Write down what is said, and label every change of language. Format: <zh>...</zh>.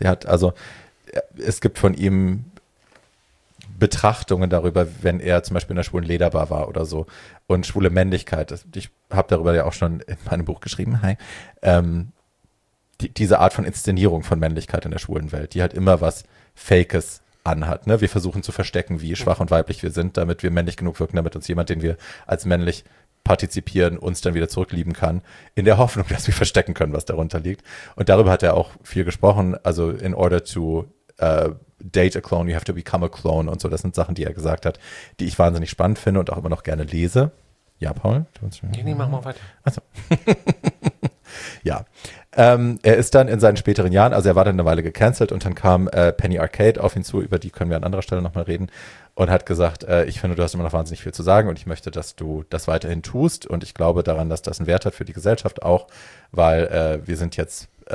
<de>Sie hat, also es gibt von ihm Betrachtungen darüber, wenn er zum Beispiel in der schwulen Lederbar war oder so und schwule Männlichkeit, ich habe darüber ja auch schon in meinem Buch geschrieben, hi, diese Art von Inszenierung von Männlichkeit in der schwulen Welt, die halt immer was Fakes anhat. Ne? Wir versuchen zu verstecken, wie schwach und weiblich wir sind, damit wir männlich genug wirken, damit uns jemand, den wir als männlich partizipieren, uns dann wieder zurücklieben kann, in der Hoffnung, dass wir verstecken können, was darunter liegt. Und darüber hat er auch viel gesprochen. Also</de> <en>in order to date a clone, you have to become a clone</en> <de>und so. Das sind Sachen, die er gesagt hat, die ich wahnsinnig spannend finde und auch immer noch gerne lese. Ja, Paul? Nee, mach mal weiter. Achso. Ja. Er ist dann in seinen späteren Jahren, also er war dann eine Weile gecancelt und dann kam Penny Arcade auf ihn zu, über die können wir an anderer Stelle nochmal reden, und hat gesagt, ich finde, du hast immer noch wahnsinnig viel zu sagen und ich möchte, dass du das weiterhin tust und ich glaube daran, dass das einen Wert hat für die Gesellschaft auch, weil wir sind jetzt</de>